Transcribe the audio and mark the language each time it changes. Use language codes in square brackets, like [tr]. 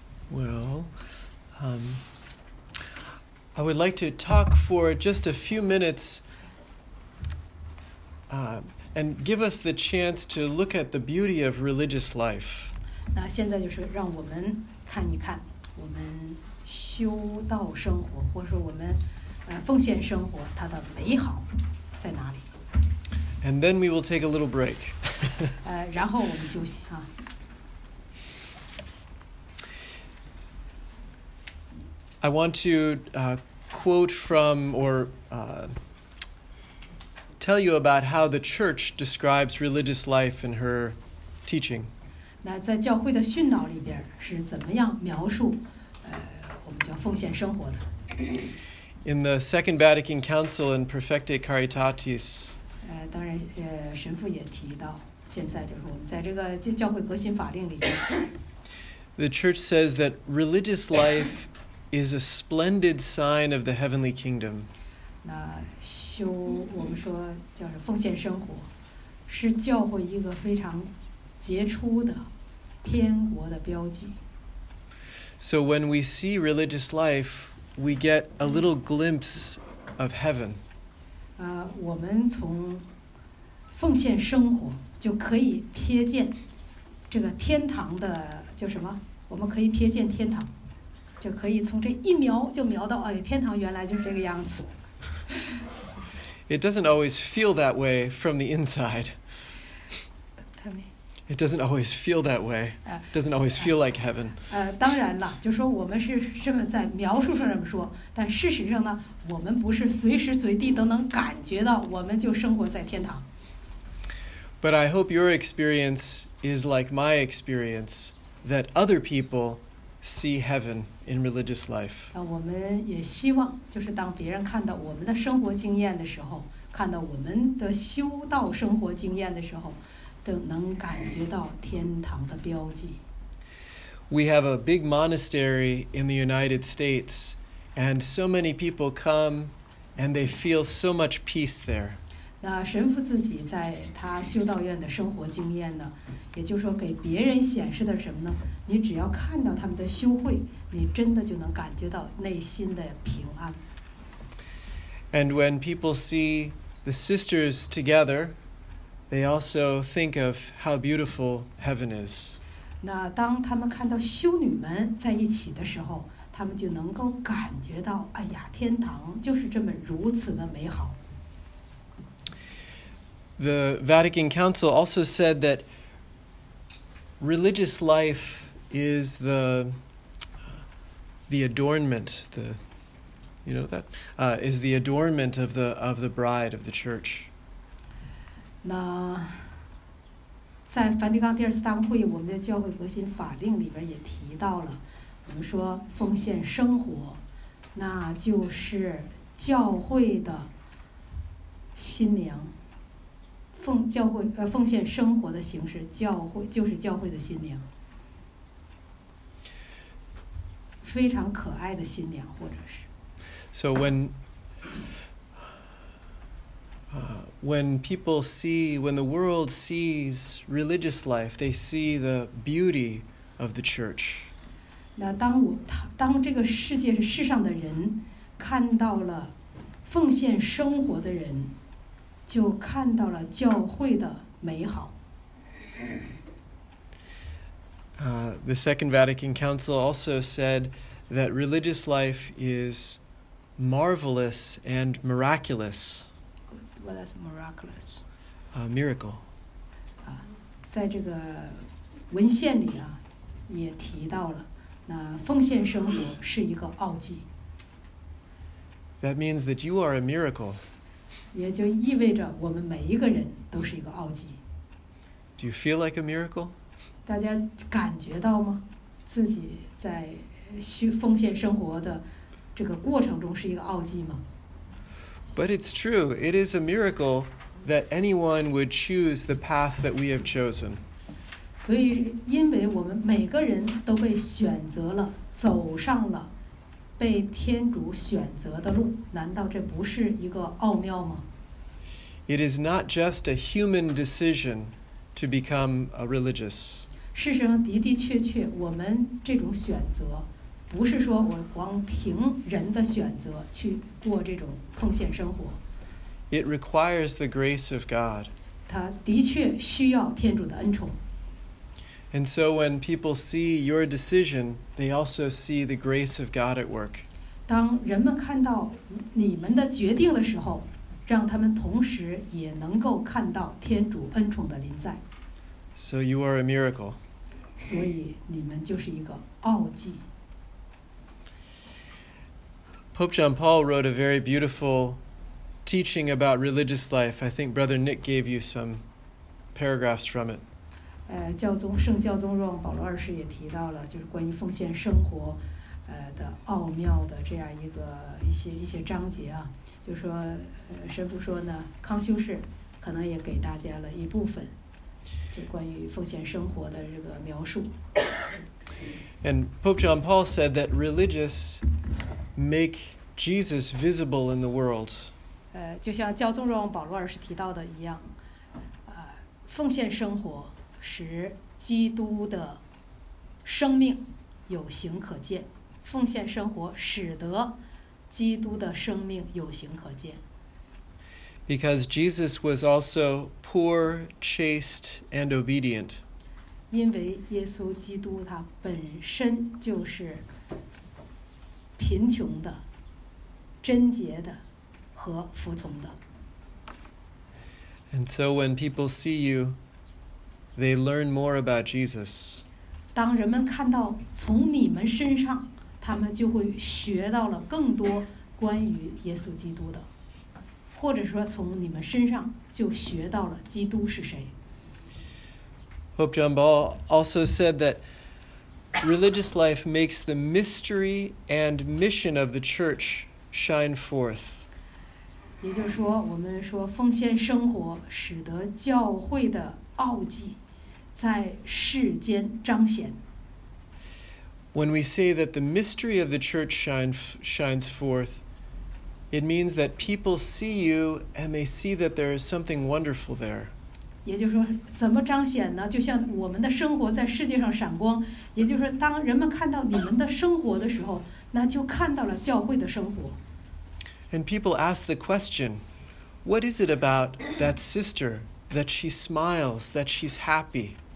[en] Well, I would like to talk for just a few minutes and give us the chance to look at the beauty of religious life. [zh] 那现在就是让我们看一看我们修道生活，或者说我们奉献生活它的美好在哪里。 [en] And then we will take a little break. [zh] 然后我们休息啊。 [en] I want to quote from or tell you about how the church describes religious life in her teaching. [zh] 那在教会的训导里边是怎么样描述我们叫奉献生活的。 [en] In the Second Vatican Council in Perfecte Caritatis. [zh] 当然神父也提到现在就是我们在这个教会革新法令里边。 [en] The church says that religious life is a splendid sign of the heavenly kingdom. [zh] 那修我们说叫奉献生活是教会一个非常杰出的天国的标记。 [en] So when we see religious life, we get a little glimpse of heaven. [zh] 我们从奉献生活就可以瞥见这个天堂的叫什么我们可以瞥见天堂。就可以从这一瞄就瞄到，哎，天堂原来就是这个样子。 [en] It doesn't always feel that way from the inside. Tell me. It doesn't always feel that way. Doesn't always feel like heaven. [zh] 当然了，就说我们是这么在描述上这么说，但事实上呢，我们不是随时随地都能感觉到，我们就生活在天堂。 [en] But I hope your experience is like my experience, that other people see heaven in religious life. [zh] 我们也希望就是当别人看到我们的生活经验的时候看到我们的修道生活经验的时候都能感觉到天堂的标记。 [en] We have a big monastery in the United States and so many people come and they feel so much peace there. [zh] 那神父自己在他修道院的生活经验呢也就是说给别人显示的什么呢你只要看到他们的修会，你真的就能感觉到内心的平安。 [en] And when people see the sisters together, they also think of how beautiful heaven is. [zh] 那当他们看到修女们在一起的时候，他们就能够感觉到，哎呀，天堂就是这么如此的美好。 [en] The Vatican Council also said that religious life is the adornment the you know that is the adornment of the bride of the church. [zh] 那在梵蒂冈第二次大公会，我们的教会革新法令里边也提到了，我们说奉献生活，那就是教会的新娘。奉献生活的形式，教会就是教会的新娘。非常可爱的新娘，或者是。 [en] So when when people see, when the world sees religious life, they see the beauty of the church. [zh] 那当这个世界世上的人看到了奉献生活的人，就看到了教会的美好。 [en] The Second Vatican Council also said that religious life is marvelous and miraculous. What is miraculous? A miracle. [zh] 在这个文献里啊，也提到了，那奉献生活是一个奥迹。 [en] That means that you are a miracle. [zh] 也就意味着我们每一个人都是一个奥迹。 [en] Do you feel like a miracle? [zh] 大家感觉到吗？自己在奉献生活的这个过程中是一个奥迹吗？ [en] But it's true. It is a miracle that anyone would choose the path that we have chosen. [zh] 所以因为我们每个人都被选择了，走上了被天主选择的路，难道这不是一个奥妙吗？ [en] It is not just a human decision to become a religious. [zh] 事实上的的确确，我们这种选择不是说我光凭人的选择去过这种奉献生活。 [en] It requires the grace of God. [zh] 它的确需要天主的恩宠。 [en] And so when people see your decision, they also see the grace of God at work. [zh] 当人们看到你们的决定的时候，让他们同时也能够看到天主恩宠的临在。 [en] So you are a miracle. [zh] 所以你们就是一个奥迹。 [en] Pope John Paul wrote a very beautiful teaching about religious life. I think Brother Nick gave you some paragraphs from it. [zh] 教宗圣教宗若望保罗二世也提到了，就是关于奉献生活，的奥妙的这样一个一些章节啊。就说，神父说呢，康修士可能也给大家了一部分，就关于奉献生活的这个描述。 [en] And Pope John Paul said that religious make Jesus visible in the world. [zh] 就像教宗若望保罗二世提到的一样，奉献生活使基督的生命有形可见，奉献生活使得基督的生命有形可见。 [en] Because Jesus was also poor, chaste, and obedient. [zh] 因为耶稣基督他本身就是贫穷的、贞洁的和服从的。 [en] And so when people see you, they learn more about Jesus. [zh] 当人们看到从你们身上，他们就会学到了更多关于耶稣基督的，或者说从你们身上就学到了基督是谁。 [en] Pope John Paul also said that religious life makes the mystery and mission of the church shine forth. [zh] 也就是说，我们说奉献生活使得教会的奥迹在世间彰显。 [en] When we say that the mystery of the church shines forth, it means that people see you and they see that there is something wonderful there. [zh] 也就是说，怎么彰显呢？就像我们的生活在世界上闪光。也就是说，当人们看到你们的生活的时候，那就看到了教会的生活。 [en] And people ask the question, "What is it about that sister that she smiles, that she's happy?"